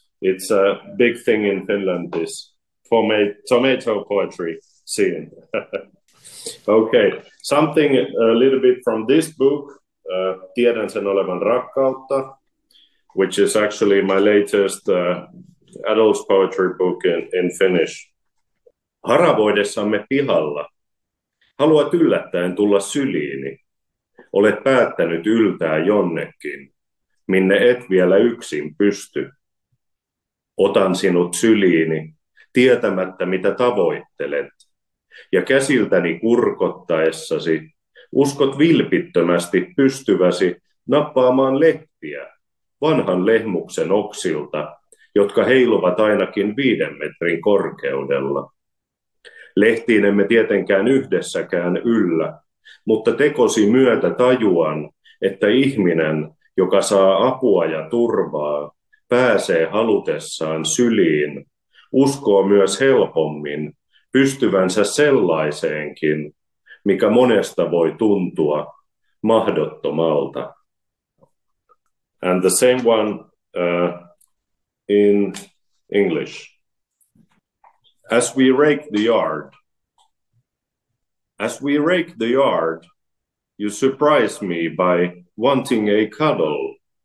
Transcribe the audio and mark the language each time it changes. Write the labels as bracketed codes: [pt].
[en] It's a big thing in Finland, this tomato poetry scene. Okay, something a little bit from this book, Tiedän sen olevan rakkautta, which is actually my latest adult poetry book in Finnish. [fi] Haravoidessamme pihalla. Haluat yllättäen tulla syliini. Olet päättänyt yltää jonnekin, minne et vielä yksin pysty. Otan sinut syliini, tietämättä mitä tavoittelet. Ja käsiltäni kurkottaessasi uskot vilpittömästi pystyväsi nappaamaan leppiä vanhan lehmuksen oksilta, jotka heiluvat ainakin 5 metrin korkeudella. Lehtiin emme tietenkään yhdessäkään yllä, mutta tekosi myötä tajuan, että ihminen, joka saa apua ja turvaa, pääsee halutessaan syliin, uskoo myös helpommin pystyvänsä sellaiseenkin, mikä monesta voi tuntua mahdottomalta. [en] And the same one in English. As we rake the yard, you surprise me by wanting a cuddle.